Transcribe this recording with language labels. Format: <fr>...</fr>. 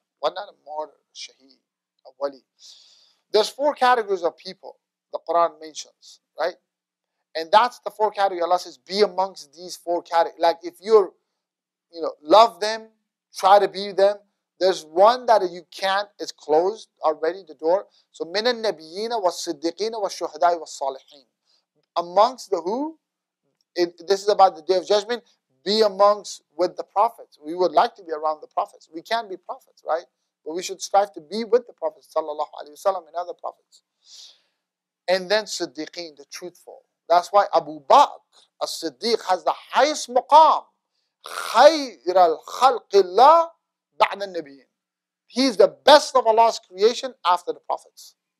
<en>Why not a martyr, a shaheed, a wali? There's four categories of people the Quran mentions, right? And that's the four categories. Allah says, be amongst these four categories. Like if you're, you know, love them, try to be them. There's one that you can't, it's closed already, the door.</en> <ar>So, من النبيين والصديقين والشهداء والصالحين.</ar> <en>Amongst the who? This is about the Day of Judgment. Be amongst with the prophets. We would like to be around the prophets. We can be prophets, right? But we should strive to be with the prophets, sallallahu alaihi wasallam, and other prophets. And then Siddiqeen, the truthful. That's why Abu Bakr, a Siddiq, has the highest maqam.</en> <ar>خير الخلق الله بعد النبيين.</ar> <en>He's the best of Allah's creation after the prophets.</en>